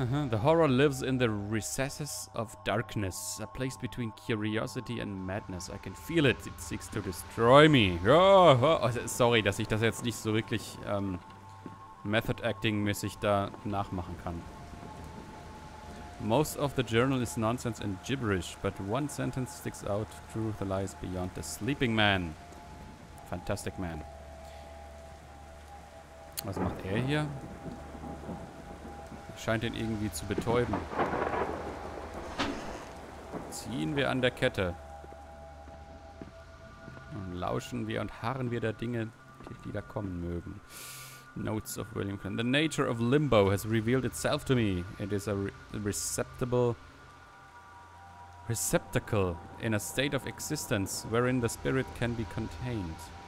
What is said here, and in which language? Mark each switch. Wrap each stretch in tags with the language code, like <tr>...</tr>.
<en>The horror lives in the recesses of darkness. A place between curiosity and madness. I can feel it. It seeks to destroy me.</en> <de>Oh, oh, sorry, dass ich das jetzt nicht so wirklich Method Acting-mäßig da nachmachen kann.</de> <en>Most of the journal is nonsense and gibberish, but one sentence sticks out. Truth lies beyond the sleeping man. Fantastic man.</en> <de>Was macht er hier? Scheint ihn irgendwie zu betäuben. Ziehen wir an der Kette. Und lauschen wir und harren wir der Dinge, die da kommen mögen.</de> <en>Notes of William Crane. The nature of limbo has revealed itself to me. It is a receptacle in a state of existence wherein the spirit can be contained.</en>